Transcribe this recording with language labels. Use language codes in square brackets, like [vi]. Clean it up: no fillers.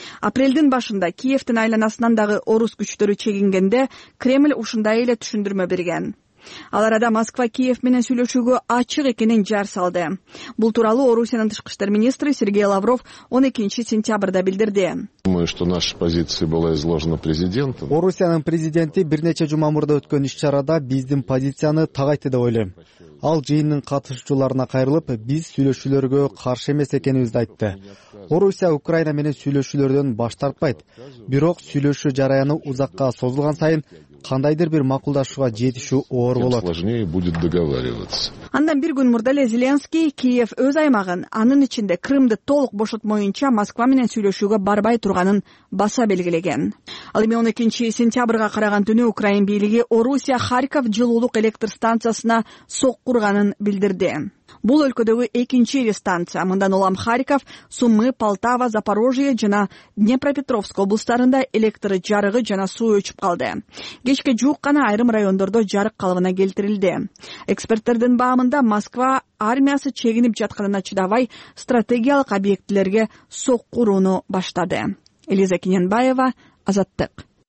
[ky] Апрелдин башында Киевтин айланасынан дагы орус күчтөрү чегингенде Кремль ушундай эле түшүндүрмө берген. Ал арада Москва Киев менен сүйлөшүүгө ачык экенин жар салды. Бул тууралуу Орусиянын тышкы иштер министри Сергей Лавров 12 сентябрда билдирди. [ru] Думаю, что наша позиция была изложена президентом. [ky] Орусиянын президенти бир нече жума мурда өткөн иш-чарада биздин позицияны так айтты деп ойлойм. Ал жыйындын катышуучуларына кайрылып, биз сүйлөшүүлөргө каршы эмес экенибизди айтты. Орусия Украина менен сүйлөшүүлөрдөн баш тартпайт. Бирок сүйлөшүү жараяны узакка созулган сайын кандайдыр бир макулдашууга жетишүү оор болот. [ru] Сложнее будет договариваться. [ky] Андан бир күн мурда Зеленский Киев өз аймагын, анын ичинде Крымды толук бошот моюнча Москва менен сүйлөшүүгө барбай турганын баса белгилеген. Ал эми 12 сентябрга караган түнү Украин бийлиги Орусия Харьков жылуулук электр станциясына сок курганын билдирди. Бул өлкөдөгү экинчи ири станция. Мындан улам Харьков, Сумы, Полтава, Запорожье жана Днепропетровск облустарында электр жарыгы жана суу өчүп калды. Кечке жуук гана айрым райондордо жарык калыбына келтирилди. Эксперттердин баамында Москва армиясы чегинип жатканына чыдабай, стратегиялык объектилерге сок курууну баштады. Элиза Кененбаева, Азаттык.